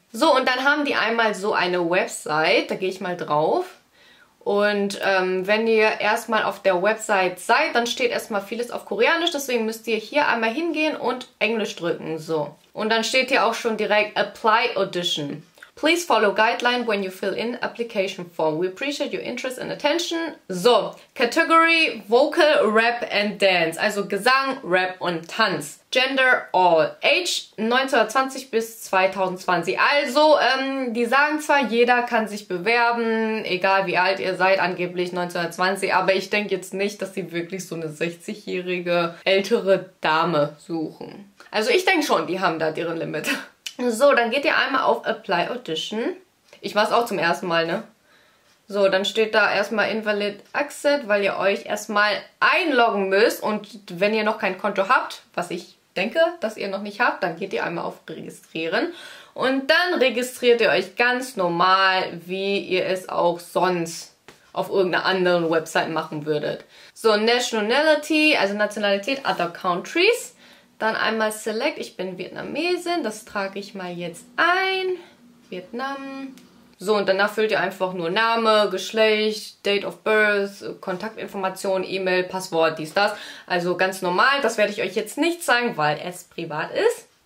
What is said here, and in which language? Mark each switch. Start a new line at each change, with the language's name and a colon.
German: So, und dann haben die einmal so eine Website, da gehe ich mal drauf. Und wenn ihr erstmal auf der Website seid, dann steht erstmal vieles auf Koreanisch. Deswegen müsst ihr hier einmal hingehen und Englisch drücken. So. Und dann steht hier auch schon direkt Apply Audition.
English: Please follow guideline when you fill in application form. We appreciate your interest and attention. So. Category Vocal, Rap and Dance.
German: Also Gesang, Rap und Tanz.
English: Gender All.
German: Age 1920 bis 2020. Also, die sagen zwar, jeder kann sich bewerben, egal wie alt ihr seid, angeblich 1920, aber ich denke jetzt nicht, dass sie wirklich so eine 60-jährige ältere Dame suchen. Also ich denke schon, die haben da deren Limit. So, dann geht ihr einmal auf Apply Audition. Ich mach's auch zum ersten Mal, ne? So, dann steht da erstmal Invalid Access, weil ihr euch erstmal einloggen müsst. Und wenn ihr noch kein Konto habt, was ich denke, dass ihr noch nicht habt, dann geht ihr einmal auf Registrieren. Und dann registriert ihr euch ganz normal, wie ihr es auch sonst auf irgendeiner anderen Website machen würdet. So, Nationality, also Nationalität,
English: Other Countries.
German: Dann einmal Select, ich bin Vietnamesin, das trage ich mal jetzt ein. Vietnam. So, und danach füllt ihr einfach nur Name, Geschlecht,
English: Date of Birth,
German: Kontaktinformation, E-Mail, Passwort, dies, das. Also ganz normal, das werde ich euch jetzt nicht zeigen, weil es privat ist.